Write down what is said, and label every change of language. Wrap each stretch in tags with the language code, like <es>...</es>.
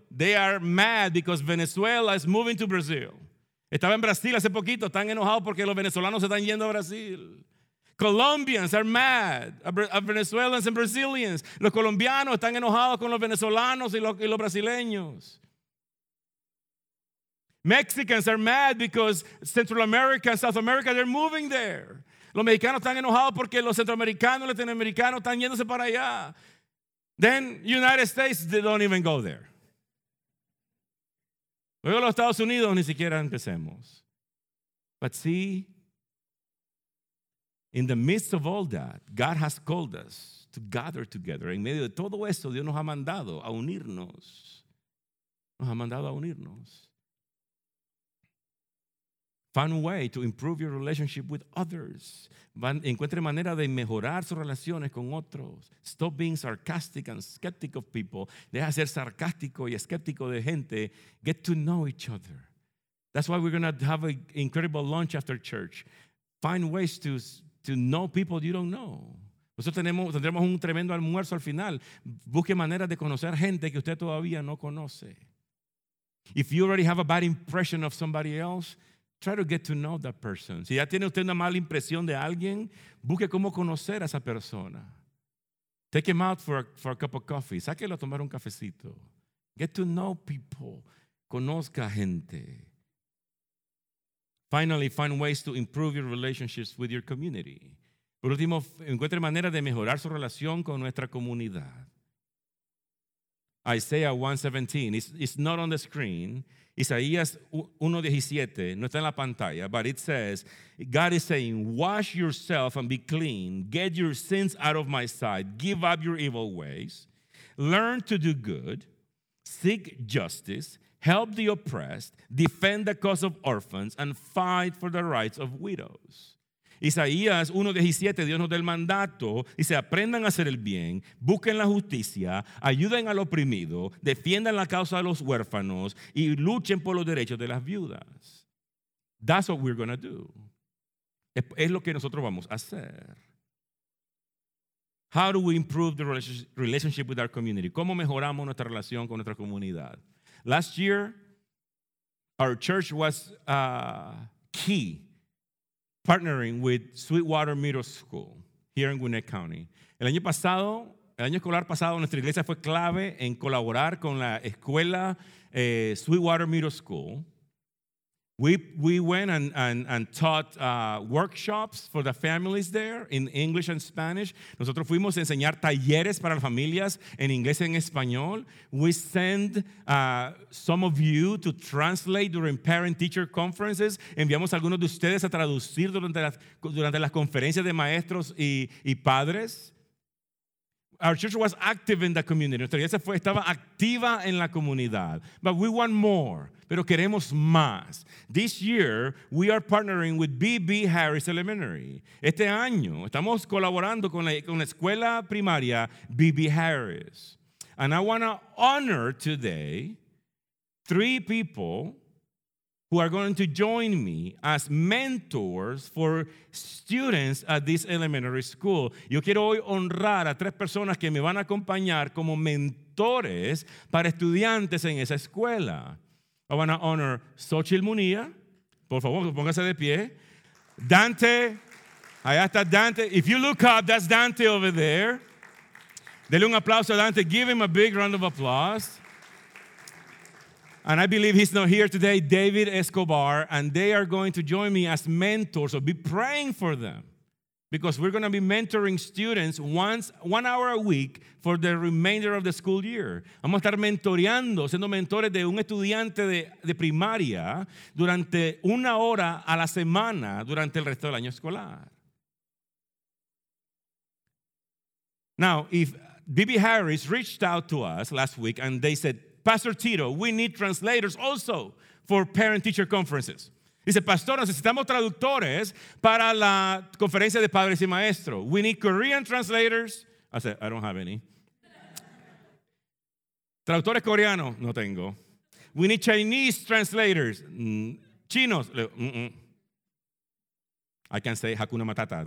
<en>They are mad because Venezuela is moving to Brazil.</en> <es>Estaba en Brasil hace poquito. Están enojados porque los venezolanos se están yendo a Brasil.</es> <en>Colombians are mad at Venezuelans and Brazilians.</en> <es>Los colombianos están enojados con los venezolanos y los brasileños.</es> <en>Mexicans are mad because Central America and South America, they're moving there.</en> <es>Los mexicanos están enojados porque los centroamericanos y latinoamericanos están yéndose para allá.</es> <en>Then United States, they don't even go there.</en> <es>Luego los Estados Unidos ni siquiera empecemos.</es> <en>But see, in the midst of all that, God has called us to gather together.</en> <es>En medio de todo eso, Dios nos ha mandado a unirnos. Nos ha mandado a unirnos.</es> <en>Find a way to improve your relationship with others.</en> <es>Encuentre manera de mejorar sus relaciones con otros.</es> <en>Stop being sarcastic and skeptic of people.</en> <es>Deja de ser sarcástico y escéptico de gente.</es> <en>Get to know each other. That's why we're going to have an incredible lunch after church. Find ways to know people you don't know.</en> <es>Nosotros tendremos un tremendo almuerzo al final. Busque maneras de conocer gente que usted todavía no conoce.</es> <en>If you already have a bad impression of somebody else, try to get to know that person.</en> <es>Si ya tiene usted una mala impresión de alguien, busque cómo conocer a esa persona.</es> <en>Take him out for a cup of coffee.</en> <es>Sáquelo a tomar un cafecito.</es> <en>Get to know people.</en> <es>Conozca gente.</es> <en>Finally, find ways to improve your relationships with your community.</en> <es>Por último, encuentre maneras de mejorar su relación con nuestra comunidad.</es> <en>Isaiah 1:17, it's not on the screen.</en> <es>Isaías 1:17, no está en la pantalla,</es> <en>but it says, God is saying, wash yourself and be clean. Get your sins out of my sight. Give up your evil ways. Learn to do good. Seek justice. Help the oppressed, defend the cause of orphans, and fight for the rights of widows.</en> <es>Isaías 1:17, Dios nos da el mandato, dice, aprendan a hacer el bien, busquen la justicia, ayuden al oprimido, defiendan la causa de los huérfanos, y luchen por los derechos de las viudas.</es> <en>That's what we're going to do.</en> <es>Es lo que nosotros vamos a hacer.</es> <en>How do we improve the relationship with our community?</en> <es>¿Cómo mejoramos nuestra relación con nuestra comunidad?</es> <en>Last year, our church was key partnering with Sweetwater Middle School here in Gwinnett County.</en> <es>El año pasado, el año escolar pasado, nuestra iglesia fue clave en colaborar con la escuela Sweetwater Middle School.</es> <en>We went and taught workshops for the families there in English and Spanish.</en> <es>Nosotros fuimos a enseñar talleres para las familias en inglés y en español.</es> <en>We send some of you to translate during parent-teacher conferences.</en> <es>Enviamos a algunos de ustedes a traducir durante las conferencias de maestros y padres.</es> <en>Our church was active in the community.</en> <es>Nuestra iglesia estaba activa en la comunidad.</es> <en>But we want more.</en> <es>Pero queremos más.</es> <en>This year, we are partnering with B.B. Harris Elementary.</en> <es>Este año, estamos colaborando con la escuela primaria B.B. Harris.</es> <en>And I want to honor today three people who are going to join me as mentors for students at this elementary school.</en> <es>Yo quiero hoy honrar a tres personas que me van a acompañar como mentores para estudiantes en esa escuela.</es> <en>I want to honor Xochitl Munilla.</en> <es>Por favor, póngase de pie. Dante. Allá está Dante.</es> <en>If you look up, that's Dante over there.</en> <es>Dele un aplauso a Dante.</es> <en>Give him a big round of applause. And I believe he's not here today, David Escobar, and they are going to join me as mentors. So be praying for them, because we're going to be mentoring students one hour a week for the remainder of the school year.</en> <es>Vamos a estar mentoreando, siendo mentores de un estudiante de primaria durante una hora a la semana durante el resto del año escolar.</es> <en>Now, if B.B. Harris reached out to us last week and they said, Pastor Tito, we need translators also for parent-teacher conferences.</en> <es>Dice, Pastor, necesitamos traductores para la conferencia de padres y maestros.</es> <en>We need Korean translators. I said, I don't have any.</en> <es>Traductores coreanos, no tengo.</es> <en>We need Chinese translators.</en> <es>Chinos.</es> <en>Mm-mm. I can say</en> <sw>Hakuna Matata.</sw>